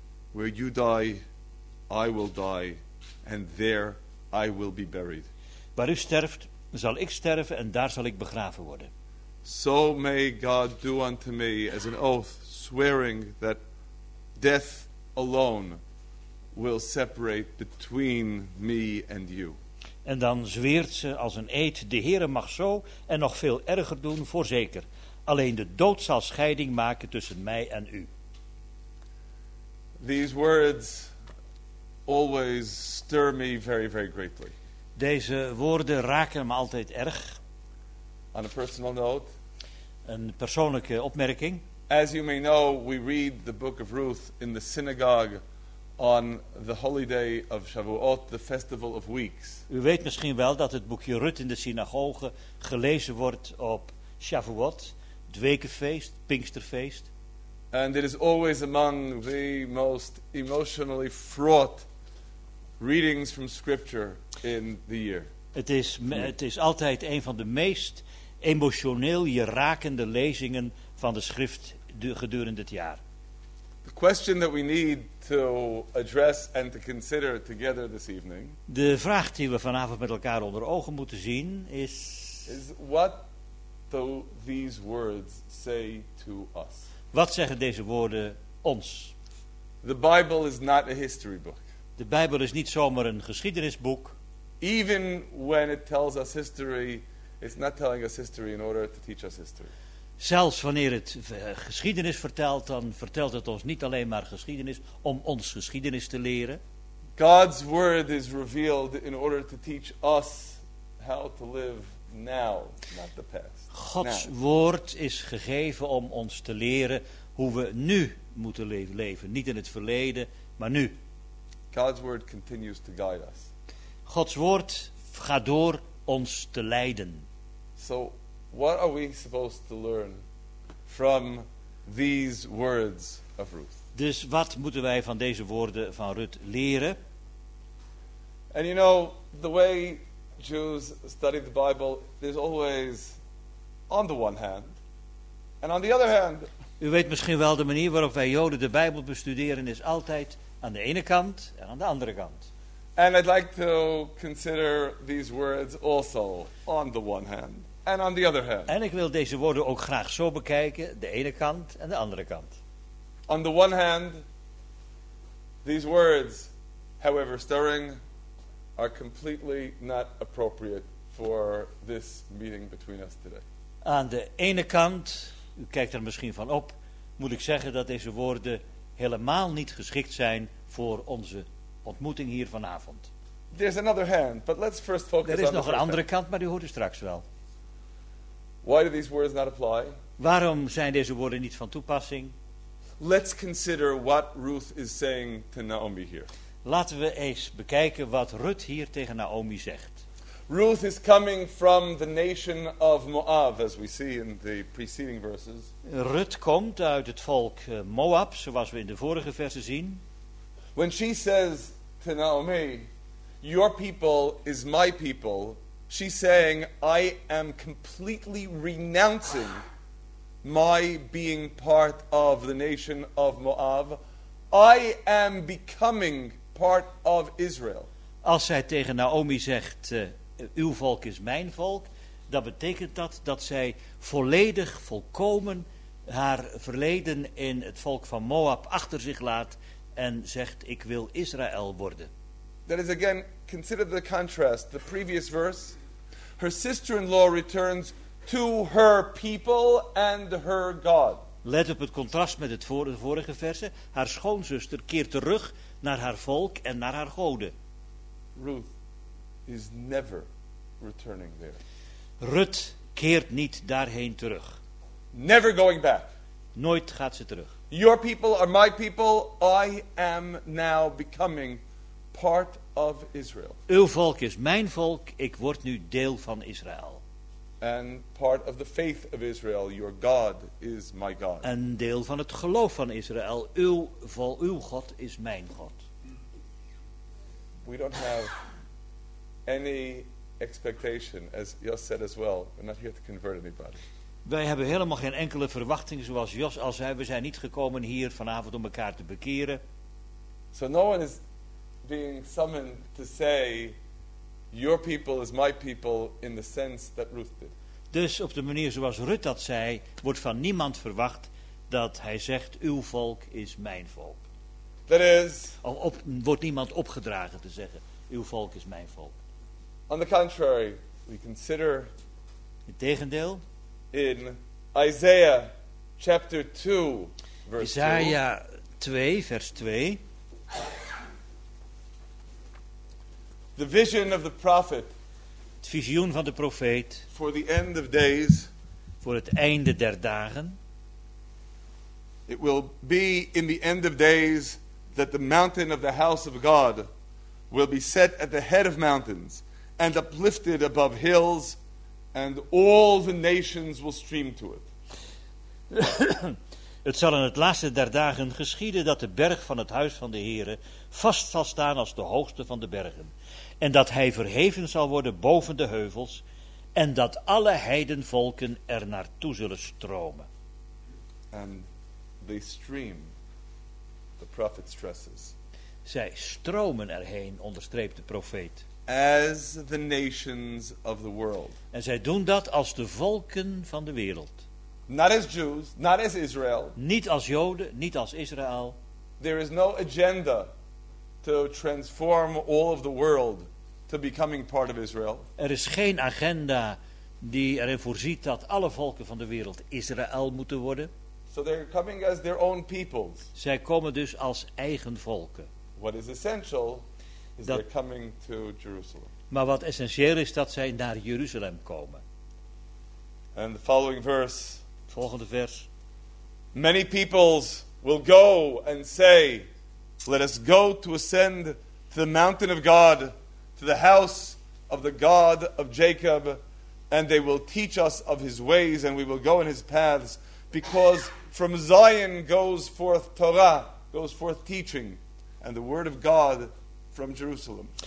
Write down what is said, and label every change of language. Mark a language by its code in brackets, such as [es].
[en] Where you die, I will die and there I will be buried. [nl] Waar u sterft, zal ik sterven en daar zal ik begraven worden. [en] So may God do unto me as an oath, swearing that death alone will separate between me and you. [nl] En dan zweert ze als een eed, de Heere mag zo en nog veel erger doen, voorzeker. Alleen de dood zal scheiding maken tussen mij en u. [en] These words always stir me very, very greatly. [nl] Deze woorden raken me altijd erg. [en] On a personal note. [nl] Een persoonlijke opmerking. [en] As you may know, we read the book of Ruth in the synagogue on the holy day of Shavuot, the festival of weeks. [nl] U weet misschien wel dat het boekje Ruth in de synagoge gelezen wordt op Shavuot, het wekenfeest, Pinksterfeest. [en] And it is always among the most emotionally fraught readings from scripture in the year. [nl] Het is altijd een van de meest emotioneel je rakende lezingen van de schrift gedurende het jaar. [en] The question that we need to address and to consider together this evening. [nl] De vraag die we vanavond met elkaar onder ogen moeten zien is. [en] Is what do these words say to us? [nl] Wat zeggen deze woorden ons? [en] The Bible is not a history book. [nl] De Bijbel is niet zomaar een geschiedenisboek. [en] Even when it tells us history, it's not telling us history in order to teach us history. [nl] Zelfs wanneer het geschiedenis vertelt, dan vertelt het ons niet alleen maar geschiedenis om ons geschiedenis te leren. [en] God's word is revealed in order to teach us how to live now, not the past. [nl] Gods woord is gegeven om ons te leren hoe we nu moeten leven, niet in het verleden, maar nu. [en] God's word continues to guide us. [nl] Gods woord gaat door ons te leiden. [en] So what are we supposed to learn from these words of Ruth? [nl] Dus wat moeten wij van deze woorden van Rut leren? [en] And you know, the way Jews study the Bible, there's always on the one hand and on the other hand. [nl] U weet misschien wel, de manier waarop wij Joden de Bijbel bestuderen is altijd aan de ene kant en aan de andere kant. [en] And I'd like to consider these words also on the one hand and on the other hand. [nl] En ik wil deze woorden ook graag zo bekijken, de ene kant en de andere kant. [en] On the one hand, these words, however stirring, are completely not appropriate for this meeting between us today. [nl] Aan de ene kant, u kijkt er misschien van op, moet ik zeggen dat deze woorden helemaal niet geschikt zijn voor onze ontmoeting hier vanavond. [en] There's another hand, but let's first focus on the first. [nl] Er is nog een andere kant, maar die hoort u straks wel. [en] Why do these words not apply? [nl] Waarom zijn deze woorden niet van toepassing? [en] Let's consider what Ruth is saying to Naomi here. [nl] Laten we eens bekijken wat Rut hier tegen Naomi zegt. [en] Ruth is coming from the nation of Moab, as we see in the preceding verses. [nl] Rut komt uit het volk Moab, zoals we in de vorige versen zien. [en] When she says to Naomi, "Your people is my people," she's saying, "I am completely renouncing my being part of the nation of Moab. I am becoming part of Israel." [nl] Als zij tegen Naomi zegt, uw volk is mijn volk, dan betekent dat dat zij volledig, volkomen haar verleden in het volk van Moab achter zich laat en zegt, ik wil Israël worden. [en] That is again, consider the contrast, the previous verse. Her sister-in-law returns to her people and her God. [nl] Let op het contrast met het vorige verse. Haar schoonzuster keert terug naar haar volk en naar haar goden. [en] Ruth is never returning there. [nl] Rut keert niet daarheen terug. [en] Never going back. [nl] Nooit gaat ze terug. [en] Your people are my people. I am now becoming part of Israel. [nl] Uw volk is mijn volk. Ik word nu deel van Israël. [en] And part of the faith of Israel, your God is my God. [nl] Een deel van het geloof van Israël, uw God is mijn God. [en] We don't have any expectation, as Jos said as well. We're not here to convert anybody. [nl] Wij hebben helemaal geen enkele verwachting, zoals Jos al zei. We zijn niet gekomen hier vanavond om elkaar te bekeren. [en] So no one is being summoned to say, your people is my people in the sense that Ruth did. [nl] Dus op de manier zoals Rut dat zei, wordt van niemand verwacht dat hij zegt, uw volk is mijn volk. [en] That is. [nl] Wordt niemand opgedragen te zeggen, uw volk is mijn volk. [en] On the contrary, we consider. [nl] Integendeel. [en] In Isaiah chapter 2, verse [nl] 2. Isaiah 2, vers 2. [en] The vision of the prophet. [nl] Het visioen van de profeet. [en] For the end of days. [nl] Voor het einde der dagen. [en] It will be in the end of days that the mountain of the house of God will be set at the head of mountains and uplifted above hills, and all the nations will stream to it. [nl] Het zal in het laatste der dagen geschieden dat de berg van het huis van de Heere vast zal staan als de hoogste van de bergen. En dat hij verheven zal worden boven de heuvels. En dat alle heidenvolken er naartoe zullen stromen. [en] And they stream, the prophet stresses. [nl] Zij stromen erheen, onderstreept de profeet. [en] As the nations of the world. [nl] En zij doen dat als de volken van de wereld. [en] Not as Jews, not as Israel. [nl] Niet als Joden, niet als Israël. [en] There is no agenda to transform all of the world to becoming part of Israel. [nl] Er is geen agenda die erin voorziet dat alle volken van de wereld Israël moeten worden. [en] So they're coming as their own peoples. [nl] Zij komen dus als eigen volken. [en] What is essential is they're coming to Jerusalem. [nl] Maar wat essentieel is dat zij naar Jeruzalem komen. [en] And the following verse. [nl] Volgende vers. [en] Many peoples will go and say, let us go to ascend to the mountain of God, to the house of the God of Jacob, and they will teach us of his ways, and we will go in his paths, because from Zion goes forth Torah, goes forth teaching, and the word of God from Jerusalem.